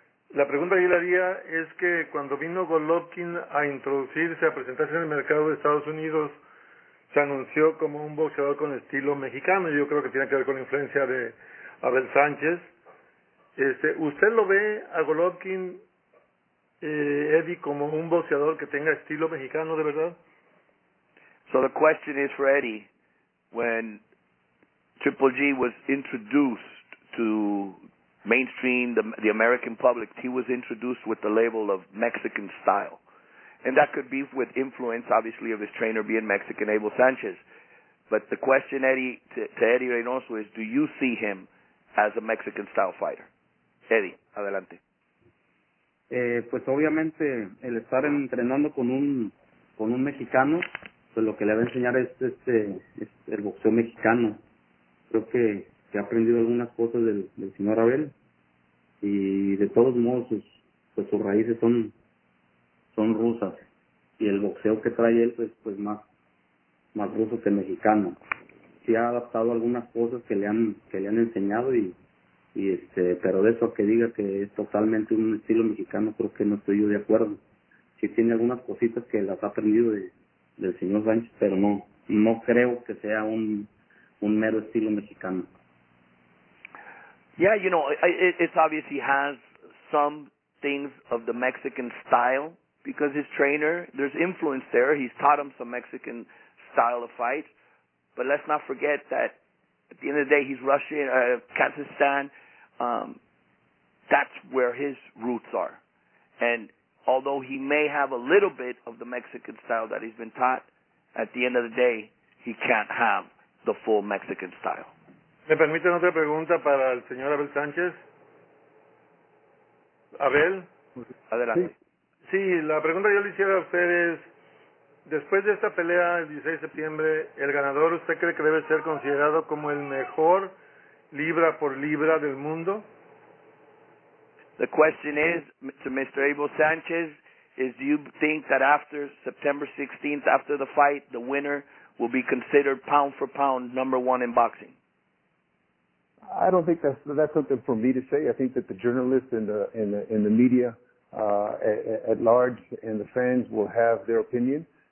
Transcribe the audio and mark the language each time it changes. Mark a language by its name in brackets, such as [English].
[Spanish] La pregunta que yo le haría es que cuando vino Golovkin a introducirse, a presentarse en el mercado de Estados Unidos, se anunció como un boxeador con estilo mexicano. Yo creo que tiene que ver con la influencia de Abel Sánchez. ¿Usted lo ve a Golovkin, Eddie, como un boxeador que tenga estilo mexicano de verdad? [English] So the question is for Eddie, when Triple G was introduced to mainstream, the American public, he was introduced with the label of Mexican style. And that could be with influence, obviously, of his trainer being Mexican, Abel Sanchez. But the question, Eddie, to Eddie Reynoso is, do you see him as a Mexican style fighter? [Spanish] Eddie, adelante. Pues obviamente el estar entrenando con un mexicano, pues lo que le va a enseñar es el boxeo mexicano. Creo que ha aprendido algunas cosas del señor Abel, y de todos modos sus raíces son rusas, y el boxeo que trae él pues más ruso que mexicano. Sí ha adaptado algunas cosas que le han enseñado y pero de eso que diga que es totalmente un estilo mexicano, creo que no estoy yo de acuerdo. Sí tiene algunas cositas que las ha aprendido del señor Sánchez, pero no creo que sea un mero estilo mexicano. [English] Yeah, you know, it's obviously has some things of the Mexican style, because his trainer, there's influence there. He's taught him some Mexican style of fight, but let's not forget that at the end of the day, he's Russian, Kazakhstan. That's where his roots are. And although he may have a little bit of the Mexican style that he's been taught, at the end of the day, he can't have the full Mexican style. [Spanish] ¿Me permiten otra pregunta para el señor Abel Sánchez? Abel? Adelante. Sí, la pregunta que yo le hiciera a usted es, después de esta pelea el 16 de septiembre, ¿el ganador usted cree que debe ser considerado como el mejor libra por libra del mundo? [English] The question is to Mr. Abel Sanchez, is do you think that after September 16th, after the fight, the winner will be considered pound for pound number one in boxing? I don't think that's something for me to say. I think that the journalists and the media at large and the fans will have their opinion.